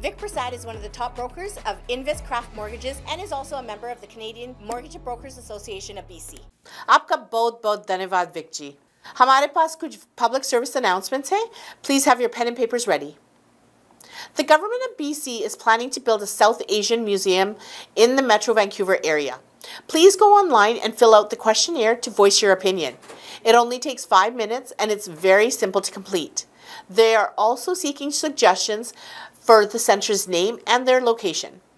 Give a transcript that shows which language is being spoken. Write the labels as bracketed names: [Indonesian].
[English] Vic Prasad is one of the top brokers of Invis Craft Mortgages and is also a member of the Canadian Mortgage Brokers Association of BC. [Hindi] आपका बहुत बहुत धन्यवाद Wick जी। हमारे पास कुछ public service announcements हैं। [English] Please have your pen and papers ready. The government of BC is planning to build a South Asian museum in the Metro Vancouver area. Please go online and fill out the questionnaire to voice your opinion. It only takes 5 minutes and it's very simple to complete. They are also seeking suggestions for the center's name and their location.